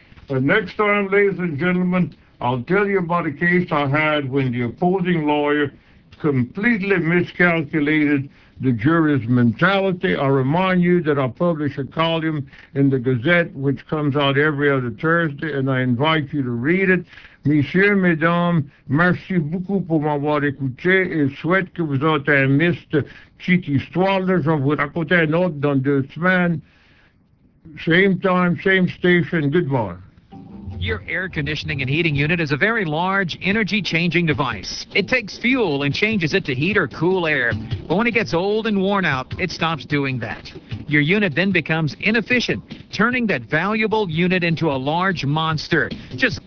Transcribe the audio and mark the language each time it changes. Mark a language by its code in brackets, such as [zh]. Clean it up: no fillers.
[en] Next time, ladies and gentlemen, I'll tell you about a case I had when the opposing lawyer completely miscalculated the jury's mentality. I remind you that I publish a column in the Gazette, which comes out every other Thursday, and I invite you to read it. [fr] Messieurs, mesdames, merci beaucoup pour m'avoir écouté, et souhaite que vous ayez aimé cette petite histoire. Je vous raconte un autre dans 2 semaines. [en] Same time, same station. Goodbye. Your air conditioning and heating unit is a very large, energy-changing device. It takes fuel and changes it to heat or cool air. But when it gets old and worn out, it stops doing that. Your unit then becomes inefficient, turning that valuable unit into a large monster, just